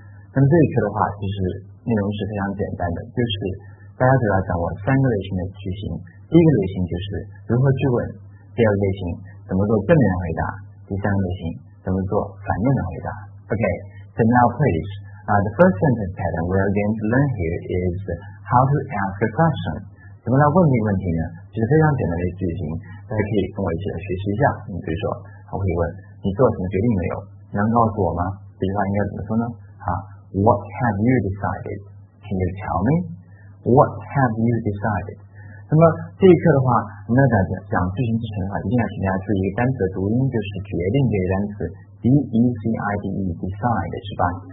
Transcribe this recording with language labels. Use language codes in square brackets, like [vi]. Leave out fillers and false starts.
[zh] 那么这一课的话，其实内容是非常简单的，就是大家主要掌握三个类型的题型。第一个类型就是如何质问，第二个类型怎么做正面的回答，第三个类型怎么做反面的回答。 [en] OK， so now please、the first sentence pattern we are going to learn here is how to ask a question。 [zh] 怎么来问这个问题呢？其实非常简单的句型，大家可以跟我一起来学习一下。你比如说，我可以问你做什么决定没有？能告诉我吗？这句话应该怎么说呢？ [en] What have you decided? Can you tell me? What have you decided? [zh] 那么这一课的话，我们要讲句型之前的话，一定要请大家注意一个单词的读音，就是决定这个单词 D-E-C-I-D-E decide 是吧？